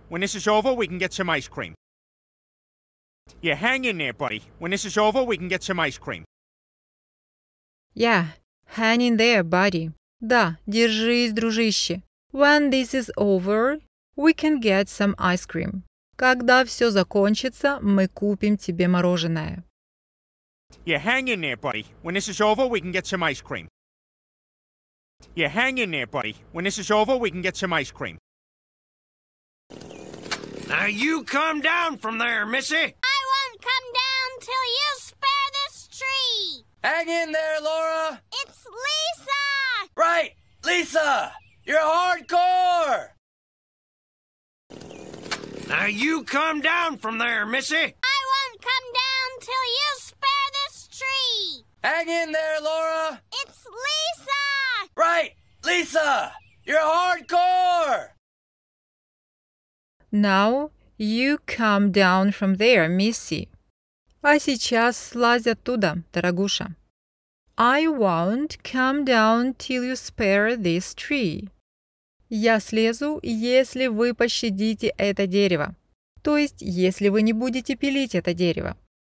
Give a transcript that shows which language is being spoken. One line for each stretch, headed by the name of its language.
English: When this is over, we can get some ice cream. Yeah, hang in there, buddy. When this is over, we can get some ice cream. Yeah, hang in there, buddy.
Russian: Да, держись, дружище.
English: When this is over, we can get some ice cream.
Russian: Когда все закончится, мы купим тебе мороженое.
English: Yeah, hang in there, buddy. When this is over, we can get some ice cream. Yeah, hang in there, buddy. When this is over, we can get some ice cream. Now you come down from there, missy. I won't come down till you spare this tree. Hang in there, Laura. It's Lisa. Right, Lisa. You're hardcore. Now you come down from there, missy. I won't come down till you spare this tree. Hang in there, Laura. It's Lisa. Right, Lisa. You're hardcore. Now you come down from there, Missy.
Russian: А сейчас слазь оттуда, дорогуша.
English: I won't come down till you spare this tree.
Russian: Я слезу, если вы пощадите это дерево. То есть, если вы не будете пилить это дерево.